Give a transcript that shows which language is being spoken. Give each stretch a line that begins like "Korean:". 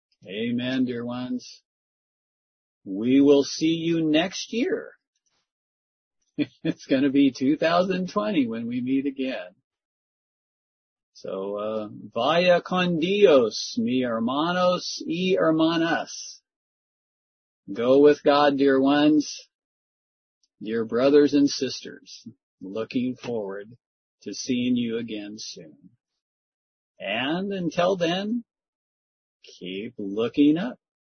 English: Amen, dear ones. We will see you next year. It's going to be 2020 when we meet again.
Spanish: So, vaya con Dios, mi hermanos y hermanas.
English: Go with God, dear ones, dear brothers and sisters. Looking forward to seeing you again soon. And until then, keep looking up.